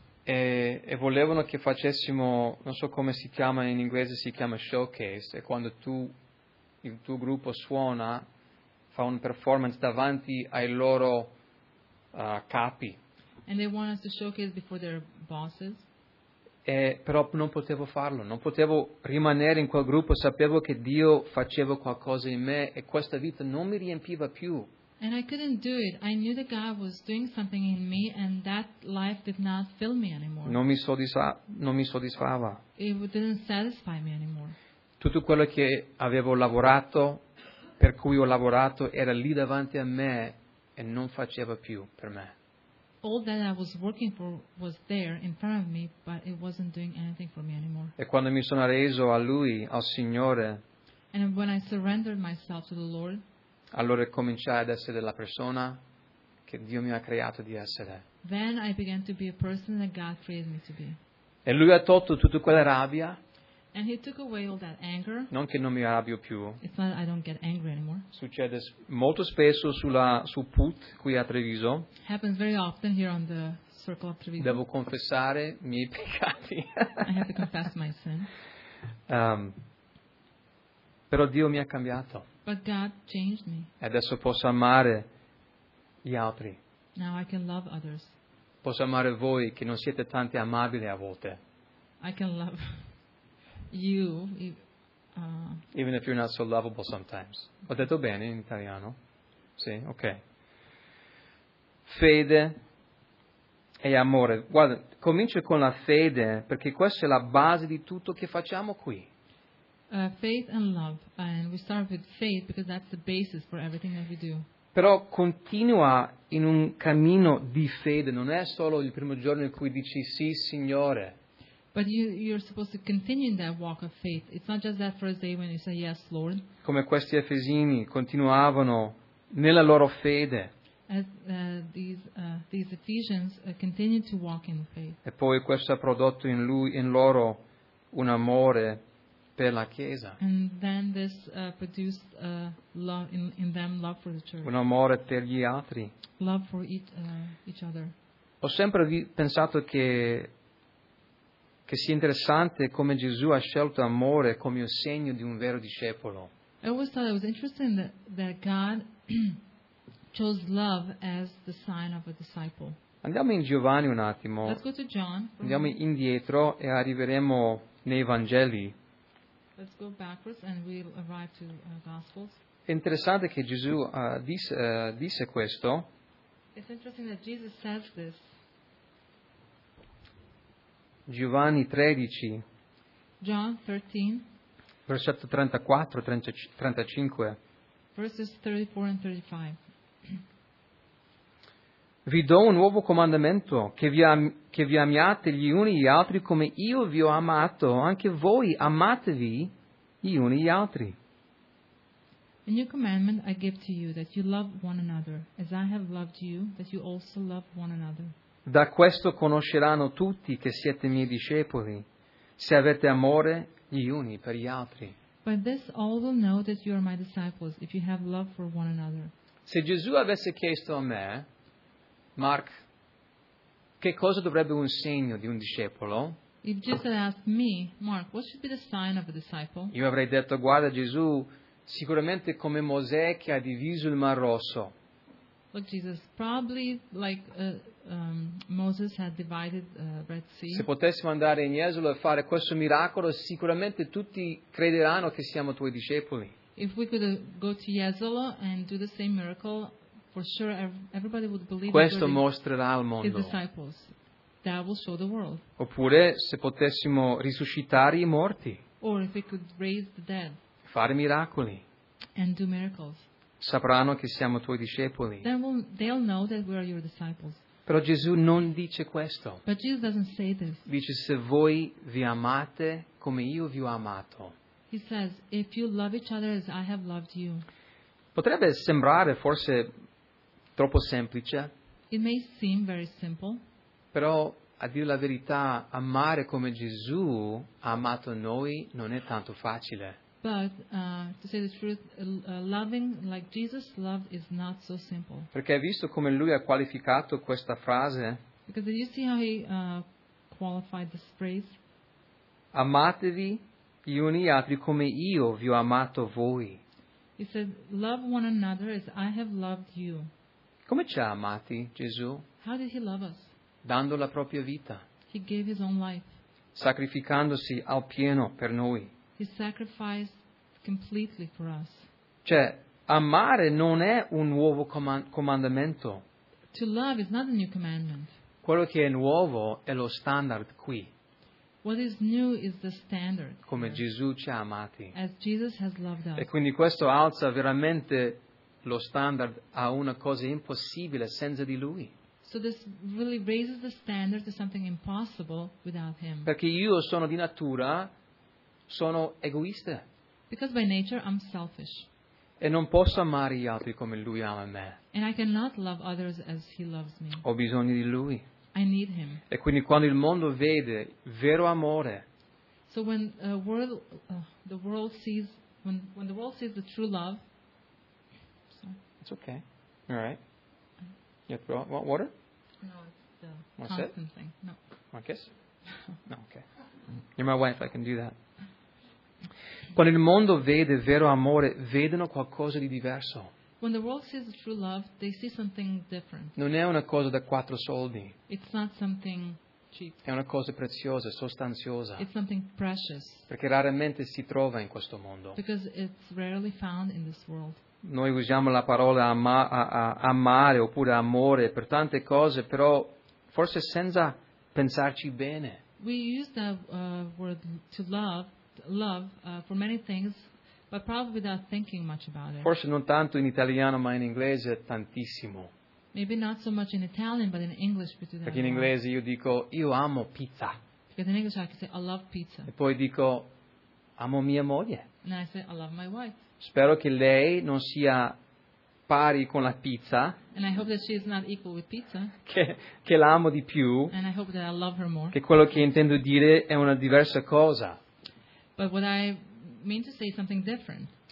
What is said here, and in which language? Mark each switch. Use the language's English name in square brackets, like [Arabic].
[Italian] E volevano che facessimo, non so come si chiama in inglese, si chiama showcase, e quando il tuo gruppo suona, fa un performance davanti ai loro capi. [English] And they want us to showcase before their bosses. [Italian] Però non potevo farlo, non potevo rimanere in quel gruppo, sapevo che Dio faceva qualcosa in me e questa vita non mi riempiva più. [English] And I couldn't do it. I knew that God was doing something in me and that life did not fill me anymore. [Italian] Non mi soddisfava. [English] It didn't satisfy me anymore. [Italian] Tutto quello che avevo lavorato, per cui ho lavorato, era lì davanti a me e non faceva più per me. [English] all that I was working for was there in front of me, but it wasn't doing anything for me anymore. [Italian] E quando mi sono reso a Lui, al Signore, [English] and when I surrendered myself to the Lord, [Italian] allora cominciai ad essere la persona che Dio mi ha creato di essere. [English] Then I began to be a person that God created me to be. [Italian] E Lui ha tolto tutta quella rabbia. [English] And He took away all that anger. [Italian] Non che non mi arrabbio più. [English] It's not that I don't get angry anymore. [Italian] Succede molto spesso su Put qui a Treviso. [English] Happens very often here on the circle of Treviso. [Italian] Devo confessare I miei peccati. [English] I have to confess my sin. [Italian] Però Dio mi ha cambiato. [English] But God changed me. [Italian] E adesso posso amare gli altri. [English] Now I can love others. [Italian] Posso amare voi che non siete tanti amabili a volte. [English] I can love you, even if you're not so lovable sometimes. [Italian] Ho detto bene in italiano? Sì, ok. Fede e amore. Guarda, comincio con la fede perché questa è la base di tutto che facciamo qui. [English] Faith and love, and we start with faith because that's the basis for everything that we do. [Italian] Però continua in un cammino di fede. Non è solo il primo giorno in cui dici sì, Signore. [English] But you're supposed to continue in that walk of faith. It's not just that first day when you say yes, Lord. [Italian] Come questi Efesini continuavano nella loro fede. [English] As these Ephesians continued to walk in faith. [Italian] E poi questo ha prodotto in lui, in loro, un amore per la Chiesa. [English] And then this produced love in them, love for the church. [Italian] Un amore per gli altri. [English] Love for each other. [Italian] Ho sempre pensato che sia interessante come Gesù ha scelto amore come un segno di un vero discepolo. [English] I always thought it was interesting that God chose love as the sign of a disciple. [Italian] Andiamo in Giovanni un attimo. [English] Let's go to John. [Italian] Andiamo indietro e arriveremo nei Vangeli. [English] Let's go backwards and we'll arrive to Gospels. [Italian] È interessante che Gesù disse questo. [English] It's interesting that Jesus says this. [Italian] Giovanni 13, [English] John 13, [Italian] versetto 34, 35, [English] verses 34 and 35. [Italian] Vi do un nuovo comandamento, che vi amiate gli uni gli altri come io vi ho amato, anche voi amatevi gli uni gli altri. [English] A new commandment I give to you, that you love one another, as I have loved you, that you also love one another. [Italian] Da questo conosceranno tutti che siete miei discepoli, se avete amore gli uni per gli altri. [English] By this all will know that you are my disciples, if you have love for one another. [Italian] Se Gesù avesse chiesto a me, Mark, che cosa dovrebbe un segno di un discepolo? [English] If Jesus had asked me, Mark, what should be the sign of a disciple? [Italian] Io avrei detto, guarda Gesù, sicuramente come Mosè che ha diviso il Mar Rosso. [English] Look, Jesus, probably like Moses had divided Red Sea. [Italian] Se potessimo andare in Jesolo e fare questo miracolo, sicuramente tutti crederanno che siamo tuoi discepoli. [English] If we could go to Jesolo and do the same miracle, for sure everybody would believe. [Italian] Questo mostrerà al mondo. [English] His disciples. That will show the world. [Italian] Oppure se potessimo risuscitare i morti. [English] Or if we could raise the dead. [Italian] Fare miracoli. [English] And do miracles. [Italian] Sapranno che siamo tuoi discepoli. [English] Then they'll know that we are your disciples. [Italian] Però Gesù non dice questo. [English] But Jesus doesn't say this. [Italian] Dice se voi vi amate come io vi ho amato. [English] He says if you love each other as I have loved you. [Italian] Potrebbe sembrare forse troppo semplice. [English] It may seem very simple. [Italian] Però a dire la verità, amare come Gesù ha amato noi non è tanto facile. [English] But to say the truth, loving like Jesus loved is not so simple. [Italian] Perché hai visto come lui ha qualificato questa frase? [English] Because did you see how he qualified this phrase? [Italian] Amatevi gli uni gli altri come io vi ho amato voi. [English] He said, love one another as I have loved you. [Italian] Come ci ha amati Gesù? [English] How did he love us? [Italian] Dando la propria vita. [English] He gave his own life. [Italian] Sacrificandosi al pieno per noi. [English] He sacrificed completely for us. [Italian] Cioè, amare non è un nuovo comandamento. [English] To love is not a new commandment. [Italian] Quello che è nuovo è lo standard qui. [English] What is new is the standard. [Italian] Come Gesù ci ha amati. [English] As Jesus has loved us. [Italian] E quindi questo alza veramente lo standard a una cosa impossibile senza di Lui. [English] So this really raises the standard to something impossible without him. [Italian] Perché io sono di natura, sono egoista. [English] Because by nature I'm selfish. [Italian] E non posso amare gli altri come lui ama me. [English] And I cannot love others as he loves me. [Italian] Ho bisogno di lui. [English] I need him. [Italian] E quindi quando il mondo vede vero amore. [English] So when the world sees the true love. It's okay. All right. You have to go, want water? No, it's the constant thing. No. Want a kiss? No, okay. You're my wife, I can do that. [Italian] Quando il mondo vede vero amore, vedono qualcosa di diverso. [English] When the world sees true love, they see something different. [Italian] Non è una cosa da quattro soldi. [English] It's not something cheap. [Italian] È una cosa preziosa, sostanziosa. [English] It's something precious. [Italian] Perché raramente si trova in questo mondo. [English] Because it's rarely found in this world. [Italian] Noi usiamo la parola amare oppure amore per tante cose, però forse senza pensarci bene. [English] We use the word to love for many things, but probably without thinking much about it. [Italian] Forse non tanto in italiano, ma in inglese tantissimo. [English] Maybe not so much in Italian, but in English. [Italian] Perché in inglese io dico io amo pizza. [English] Because in English I can say I love pizza. [Italian] E poi dico amo mia moglie. [English] And I say I love my wife. [Italian] Spero che lei non sia pari con la pizza. [English] And I hope that she is not equal with pizza. [Italian] Che la amo di più. [English] And I hope that I love her more. [Italian] Che quello che intendo dire è una diversa cosa. [English] But what I mean to say is something different.